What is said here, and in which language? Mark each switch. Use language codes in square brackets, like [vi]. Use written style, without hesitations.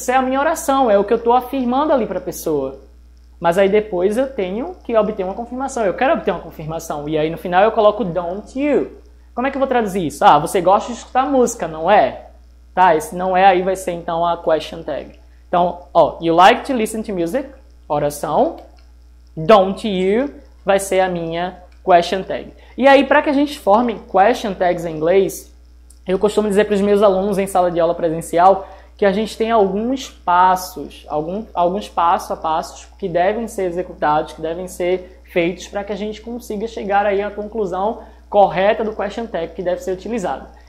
[pt] Isso é a minha oração, é o que eu estou afirmando ali para a pessoa. Mas aí depois eu tenho que obter uma confirmação, eu quero obter uma confirmação. E aí no final eu coloco [en] don't you. [pt] Como é que eu vou traduzir isso? Ah, você gosta de escutar música, não é? Tá, esse não é aí vai ser então a question tag. Então, ó, [en] you like to listen to music, [pt] oração, [en] don't you, [pt] vai ser a minha question tag. E aí, para que a gente forme question tags em inglês, eu costumo dizer para os meus alunos em sala de aula presencial que a gente tem alguns passos, alguns passo a passos que devem ser executados, que devem ser feitos para que a gente consiga chegar aí à conclusão correta do question tag que deve ser utilizado.